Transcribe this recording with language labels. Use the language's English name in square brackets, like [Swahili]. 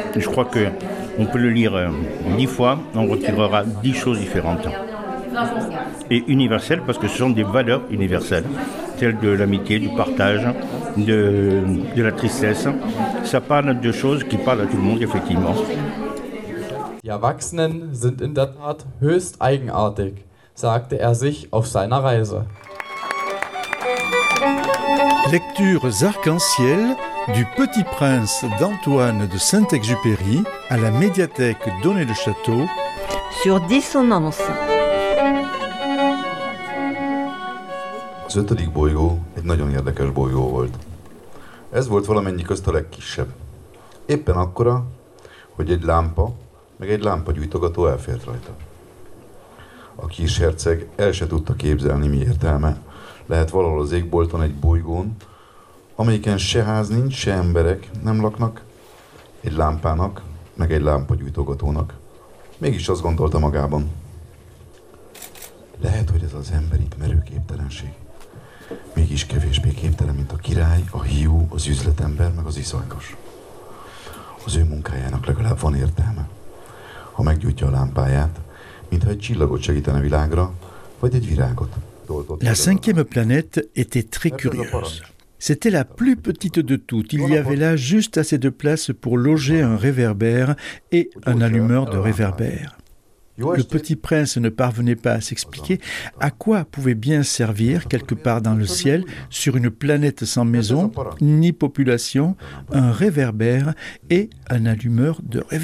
[French] Je crois qu'on peut le lire 10 fois, on retirera 10 choses différentes. Et universel parce que ce sont des valeurs universelles, celles de l'amitié, du partage, de la tristesse. Ça parle de choses qui parlent à tout le monde, effectivement. [German] Die Erwachsenen sind in der Tat höchst eigenartig, sagte sich auf seiner Reise. [French] Lectures arc-en-ciel du Petit Prince d'Antoine de Saint-Exupéry à la médiathèque Donnay-le-Château sur Dissonance. [Hungarian] Az ötödik bolygó egy nagyon érdekes bolygó volt. Ez volt valamennyi közt a legkisebb. Éppen akkora, hogy egy lámpa, meg egy lámpagyújtogató elfért rajta. A kis herceg el se tudta képzelni, mi értelme lehet valahol az égbolton egy bolygón, amelyiken se ház nincs, se emberek nem laknak, egy lámpának, meg egy lámpagyújtogatónak. Mégis azt gondolta magában. Lehet, hogy ez az ember itt merőképtelenség. Mégis kevésbé képtelen, mint a király, a hiú, az üzletember, meg az iszonykos. Az ő munkájának legalább van értelme. Ha meggyújtja a lámpáját, mintha egy csillagot segítene világra, vagy egy virágot. [French] La cinquième planète était très curieuse. C'était la plus petite de toutes. Il y avait là juste assez de place pour loger un réverbère et un allumeur de réverbère. Le petit prince ne parvenait pas à s'expliquer à quoi pouvait bien servir, quelque part dans le ciel, sur une planète sans maison, ni population, un réverbère et un allumeur de